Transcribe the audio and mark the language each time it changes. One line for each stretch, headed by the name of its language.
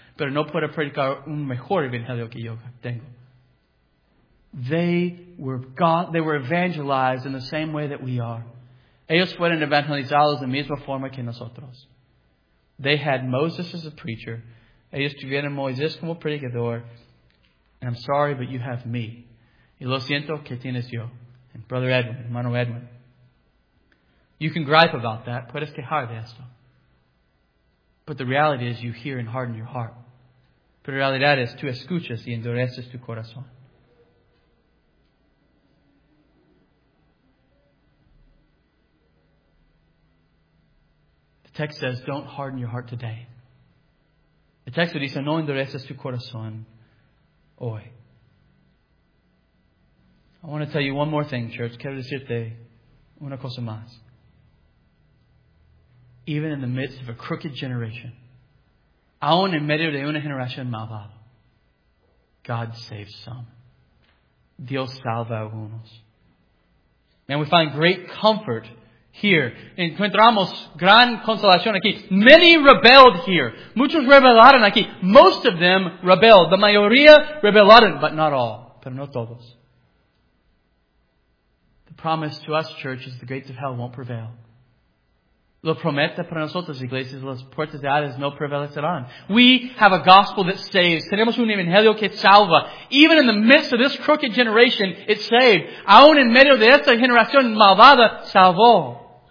Spanish: Pero no puede predicar un mejor evangelio que yo tengo.
English: They were evangelized in the same way that we are.
Spanish: Ellos fueron evangelizados de la misma forma que nosotros.
English: They had Moses as a preacher.
Spanish: Ellos tuvieron Moisés como predicador.
English: And I'm sorry, but you have me.
Spanish: Y lo siento que tienes yo.
English: And Brother Edwin, hermano Edwin. You can gripe about that.
Spanish: Puedes quejar de esto.
English: But the reality is you hear and harden your heart.
Spanish: Pero la realidad es tú escuchas y endureces tu corazón.
English: The text says, don't harden your heart today. The text would say,
Spanish: no endureces tu corazón hoy.
English: I want to tell you one more thing, church.
Spanish: Quiero decirte una cosa más.
English: Even in the midst of a crooked generation,
Spanish: aún en medio de una generación malvada,
English: God saves some.
Spanish: Dios salva algunos.
English: And we find great comfort here.
Spanish: Encontramos gran consolación aquí.
English: Many rebelled here.
Spanish: Muchos rebelaron aquí.
English: Most of them rebelled.
Spanish: The mayoría rebelaron,
English: but not all.
Spanish: Pero no todos.
English: The promise to us, church, is the gates of hell won't prevail.
Spanish: Lo promete para nosotros, iglesias, las puertas de Hades no prevalecerán.
English: We have a gospel that saves.
Spanish: Tenemos un evangelio que salva.
English: Even in the midst of this crooked generation, it saved.
Spanish: Aún en medio de esta generación malvada, salvó.